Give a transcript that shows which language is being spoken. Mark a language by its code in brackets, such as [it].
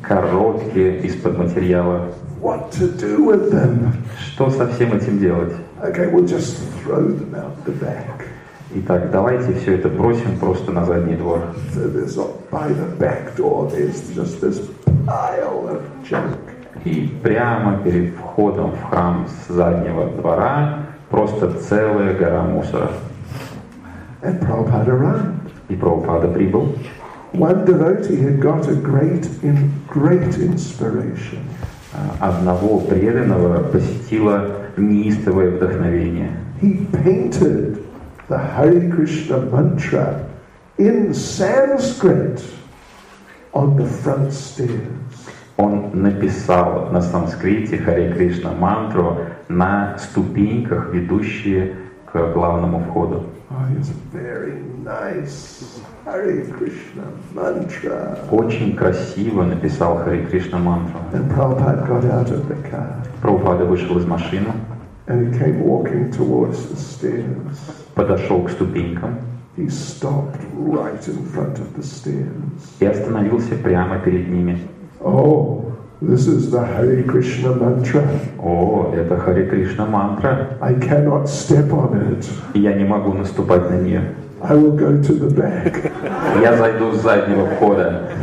[ru] Коробки из-под материала. [en] What to do with them? [ru] Что со всем этим делать? [en] Okay, we'll just throw them out the back. [ru] Итак, давайте все это бросим просто на задний двор. [en] So there's a, by the back door, there's just this pile of junk. [ru] И прямо перед входом в храм с заднего двора просто целая гора мусора. [en] And Prabhupada arrived. [ru] И Прабхупада прибыл. [en] One devotee had got a great inspiration. [ru] Одного преданного посетило неистовое вдохновение. [en] He painted the Hare Krishna mantra in Sanskrit on the front stairs. [ru] Он написал на санскрите Hare Krishna мантру на ступеньках, ведущие к главному входу. [en] Oh, it's very nice. Hare Krishna mantra. [ru] Очень красиво написал Hare Krishna мантру. [en] And Prabhupada got out of the car. [ru] Прабхупада вышел из машины. [en] And he came walking towards the stairs. [ru] Подошел к ступенькам. [en] He stopped right in front of the stairs. [ru] И остановился прямо перед ними. [en] Oh, this is the Hare Krishna mantra. [ru] О, это Hare Krishna мантра. [en] I cannot step on it. [ru] Я не могу наступать на нее. [en] I will go to the back. [ru] Я зайду с заднего входа.